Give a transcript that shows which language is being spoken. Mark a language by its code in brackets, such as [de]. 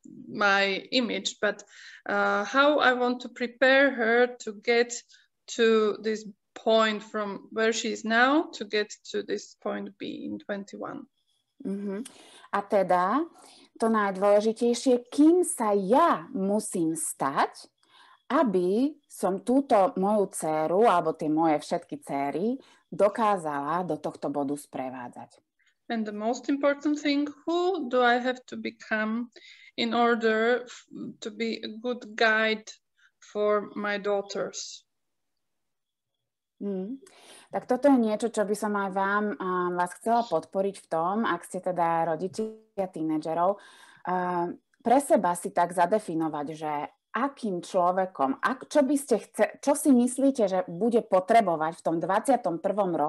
[en] my image, but how I want to prepare her to get to this point from where she is now to get to this point B in 21. Mm-hmm. [sk] A teda, to najdôležitejšie, kým sa ja musím stať, aby som túto moju dcéru alebo tie moje všetky céry dokázala do tohto bodu sprevádzať. [en] And the most important thing, who do I have to become in order to be a good guide for my daughters? Hmm. [sk] Tak toto je niečo, čo by som aj vám vás chcela podporiť v tom, ak ste teda rodičia tínedžerov, pre seba si tak zadefinovať, že akým človekom, čo by ste čo si myslíte, že bude potrebovať v tom 21.